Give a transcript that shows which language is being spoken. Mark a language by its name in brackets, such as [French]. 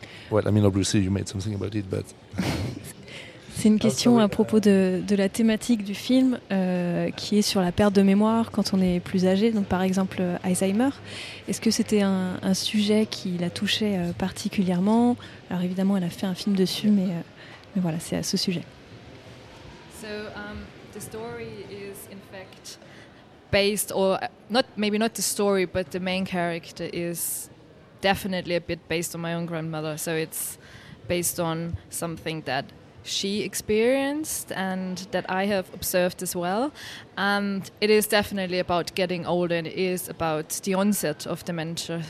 [English] Well, I mean, obviously, you made something about it, but. [French] C'est une question à propos de la thématique du film qui est sur la perte de mémoire quand on est plus âgé, donc par exemple Alzheimer. Est-ce que c'était un sujet qui la touchait particulièrement? Alors évidemment, elle a fait un film dessus, mais voilà, c'est à ce sujet. [English] So, the story is in fact based, or not, maybe not the story, but the main character is definitely a bit based on my own grandmother. So it's based on something that she experienced and that I have observed as well, and it is definitely about getting older, and it is about the onset of dementia.